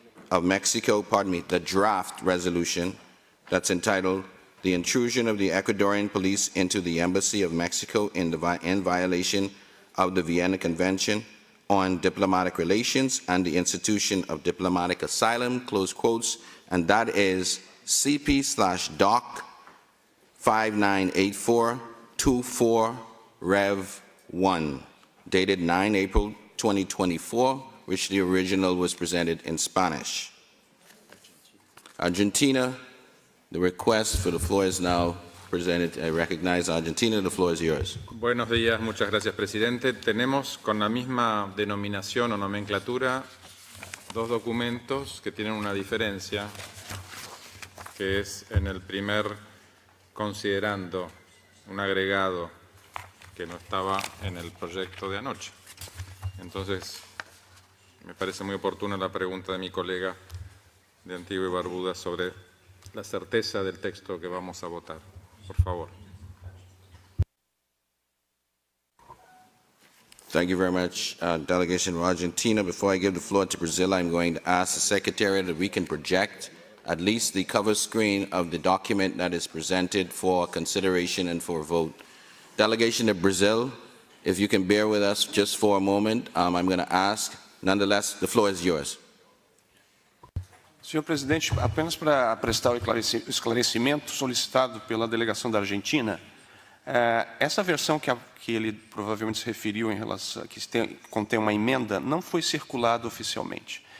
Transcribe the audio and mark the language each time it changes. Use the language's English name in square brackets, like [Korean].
[English] of Mexico, pardon me, the draft resolution that's entitled The Intrusion of the Ecuadorian Police into the Embassy of Mexico in violation of the Vienna Convention on Diplomatic Relations and the Institution of Diplomatic Asylum, close quotes, and that is CP/DOC 598424 Rev 1. Dated 9 April 2024, which the original was presented in Spanish. Argentina, the request for the floor is now presented. I recognize Argentina, the floor is yours. [Spanish] Buenos días, muchas gracias, presidente. Tenemos con la misma denominación o nomenclatura dos documentos que tienen una diferencia, que es en el primer considerando un agregado que no estaba en el proyecto de anoche. Entonces, me parece muy oportuna la pregunta de mi colega de Antigua y Barbuda sobre la certeza del texto que vamos a votar. Por favor. [English] Thank you very much, delegation of Argentina. Before I give the floor to Brazil, I'm going to ask the secretary that we can project at least the cover screen of the document that is presented for consideration and for vote. Delegation of Brazil, if you can bear with us just for a moment, I'm going to ask. Nonetheless, the floor is yours. [Portuguese] Senhor Presidente, apenas para prestar o esclarecimento solicitado pela delegação da Argentina, essa versão que ele provavelmente se referiu em relação que contém uma emenda não foi circulada oficialmente.